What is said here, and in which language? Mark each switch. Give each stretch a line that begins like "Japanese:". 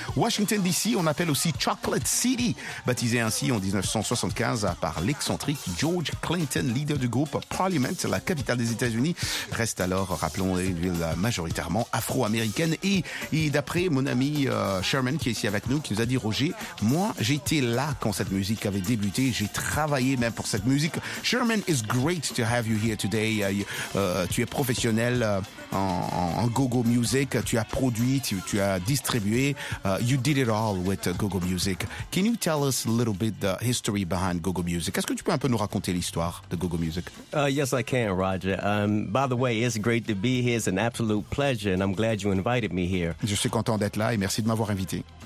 French: Washington DC, on appelle aussi Chocolate City, baptisé ainsi en 1975 par l'excentrique George Clinton, leader du groupe Parliament, la capitale des États-Unis. Reste alors, rappelons, une ville majoritairement afro-américaine. Et d'après mon ami Sherman, qui est ici avec nous, qui nous a dit, Roger, moi, j'étais là quand cette musique avait débuté, j'ai travaillé même pour cette musique.
English: Sherman, it's great to have you here today.
French: Tu es professionnel en go-go music. Tu as produit, tu as distribué.
English: You did it all with go-go music. Can you tell us a little bit the history behind go-go music?
French: Est-ce que tu peux un peu nous raconter l'histoire de go-go music?
English: Yes, I can, Roger. By the way, it's great to be here. It's an absolute pleasure, and I'm glad you invited me here.
French: Je suis content d'être là et merci de m'avoir invité.